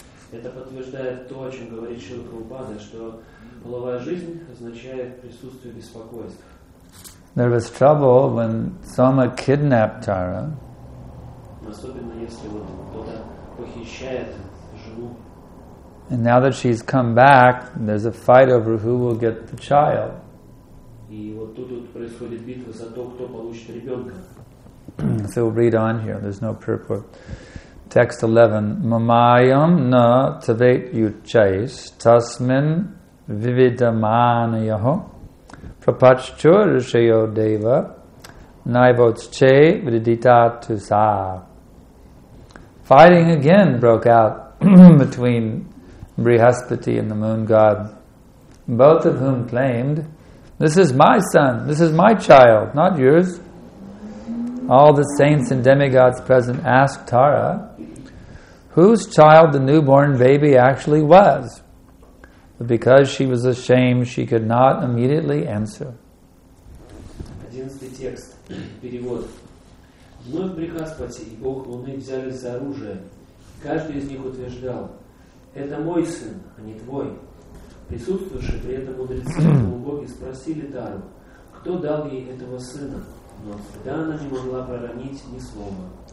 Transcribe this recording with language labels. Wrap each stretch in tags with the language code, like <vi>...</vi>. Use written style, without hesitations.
<ru>Это подтверждает то, о чем говорит Шрила Прабхупада, что половая жизнь означает присутствие беспокойств.</ru> <en>There was trouble when Soma kidnapped Tara.</en> <ru>Особенно если вот кто-то похищает жену.</ru> <en>And now that she's come back, there's a fight over who will get the child.</en> <ru>И вот тут происходит битва за то, кто получит ребенка.</ru> <en>So we'll read on here. There's no purport. Text 11.</en> <sa>Mamayam na tavet yuchais tasmin vividamanayaho prapachcho rishayo deva naivotsche vidita tusa.</sa> <en>Fighting again broke out between Brihaspati and the moon god, both of whom claimed, "This is my son, this is my child, not yours." All the saints and demigods present asked Tara, whose child the newborn baby actually was. But because she was ashamed, she could not immediately answer.</en> <ru>11 текст. Перевод. Вновь Брихаспати и Бог Луны взялись за оружие. Каждый из них утверждал, это мой сын, а не твой. Присутствующие при этом мудрецы полубоги спросили Тару, кто дал ей этого сына, но тогда она не могла проронить ни слова.</ru>